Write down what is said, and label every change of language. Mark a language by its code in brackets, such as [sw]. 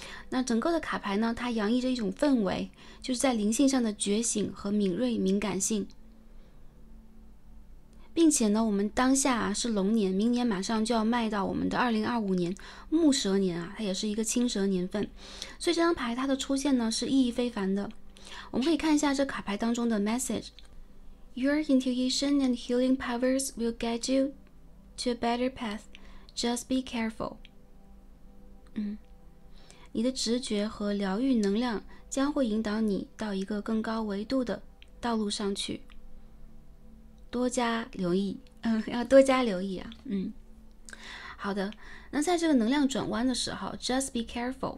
[zh] 那整个的卡牌呢，它洋溢着一种氛围，就是在灵性上的觉醒和敏锐敏感性。并且呢，我们当下啊是龙年，明年马上就要迈到我们的2025年木蛇年啊，它也是一个青蛇年份，所以这张牌它的出现呢是意义非凡的。我们可以看一下这卡牌当中的 message. [en] Your intuition and healing powers will guide you to a better path. Just be careful. [zh] 你的直觉和疗愈能量将会引导你到一个更高维度的道路上去。多加留意，要多加留意啊。好的，那在这个能量转弯的时候 ， [en] just be careful.